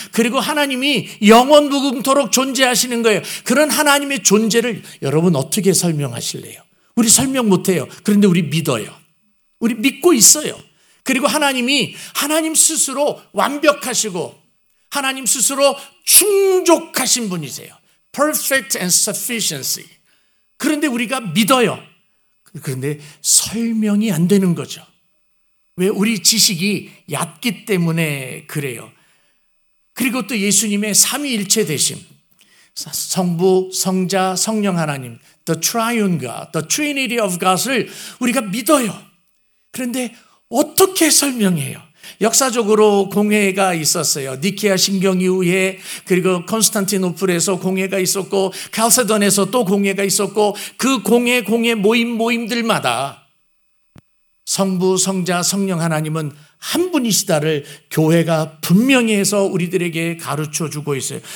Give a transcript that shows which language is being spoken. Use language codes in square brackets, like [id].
[ko] 그리고 하나님이 영원무궁토록 존재하시는 거예요. 그런 하나님의 존재를 여러분 어떻게 설명하실래요? 우리 설명 못해요. 그런데 우리 믿어요. 우리 믿고 있어요. 그리고 하나님이 하나님 스스로 완벽하시고 하나님 스스로 충족하신 분이세요. [en] Perfect and sufficiency. [ko] 그런데 우리가 믿어요. 그런데 설명이 안 되는 거죠. 왜 우리 지식이 얕기 때문에 그래요. 그리고 또 예수님의 삼위일체 되심. 성부, 성자, 성령 하나님. [en] The triune God, the trinity of God [ko] 을 우리가 믿어요. 그런데 어떻게 설명해요? 역사적으로 공회가 있었어요. 니케아 신경 이후에 그리고 콘스탄티노플에서 공회가 있었고 칼세돈에서 또 공회가 있었고 그 공회 모임들마다 성부, 성자, 성령 하나님은 한 분이시다를 교회가 분명히 해서 우리들에게 가르쳐주고 있어요.